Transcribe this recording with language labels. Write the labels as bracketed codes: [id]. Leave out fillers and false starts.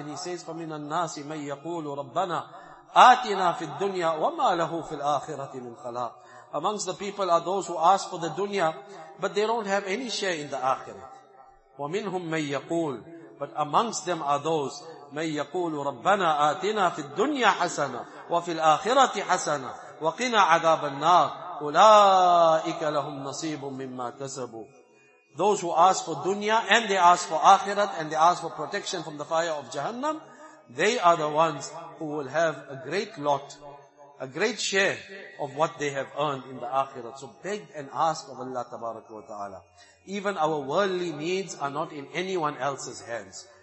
[en] And he says, [ar] فَمِنَ النَّاسِ مَنْ يَقُولُ رَبَّنَا آتِنَا فِي الدُّنْيَا وَمَا لَهُ فِي الْآخِرَةِ مِنْ خَلَاقٍ. [en] Amongst the people are those who ask for the dunya, but they don't have any share in the akhirah. [ar] وَمِنْهُمْ مَنْ يَقُولُ. [en] But amongst them are those, [ar] مَنْ يَقُولُ رَبَّنَا آتِنَا فِي الدُّنْيَا حَسَنًا وَفِي الْآخِرَةِ حَسَنًا وَقِنَا عَذَابَ النَّارِ أُولَئِكَ لَهُمْ نَصِيبٌ مِمَّا كَسَبُوا. [en] Those who ask for dunya and they ask for akhirah and they ask for protection from the fire of Jahannam, they are the ones who will have a great lot, a great share of what they have earned in the akhirah. So beg and ask of Allah tabaraka wa ta'ala. Even our worldly needs are not in anyone else's hands.